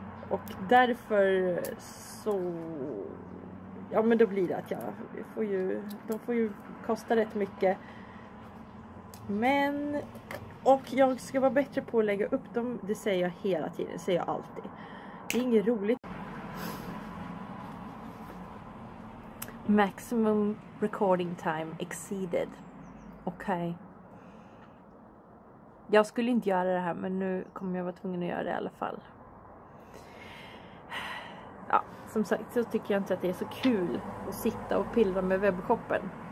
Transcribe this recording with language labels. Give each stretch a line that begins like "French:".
Swedish: Och därför så, ja, men då blir det att jag får ju, de får ju kosta rätt mycket. Men, och jag ska vara bättre på att lägga upp dem, det säger jag hela tiden, det säger jag alltid. Det är inget roligt.
English: Maximum recording time exceeded.
Swedish: Okej. Jag skulle inte göra det här, men nu kommer jag vara tvungen att göra det i alla fall. Ja, som sagt, så tycker jag inte att det är så kul att sitta och pilla med webbshoppen.